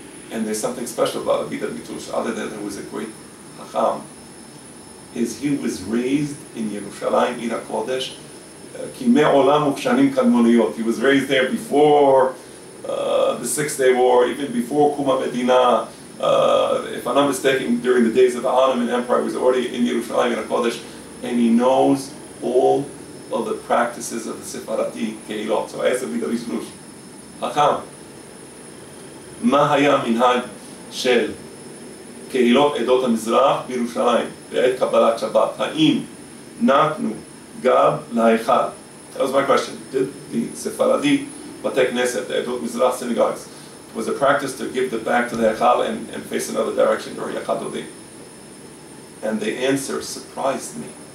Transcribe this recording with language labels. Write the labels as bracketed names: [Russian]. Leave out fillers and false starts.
[English] And there's something special about Rabbi David Shlush, other than there was a great Chacham, is he was raised in Yerushalayim, in HaKodesh, Kimei Olam Ukshanim Kadmoniyot. He was raised there before the Six-Day War, even before Kuma Medina. If I'm not mistaken, during the days of the Ottoman Empire, he was already in Yerushalayim, in HaKodesh, and he knows all of the practices of the Sephardi Keilot. So I asked Rabbi David Shlush, Chacham, [Hebrew] מה היה מנהג של קהילות עדות המזרח בירושלים בעת קבלת שבת? האם נתנו גב להיכל? [English] That was my question. Did the Sephardi Bate Knesset, the עדות מזרח synagogues, was a practice to give the back to the Hekhal and face another direction during the Chadodi? And the answer surprised me.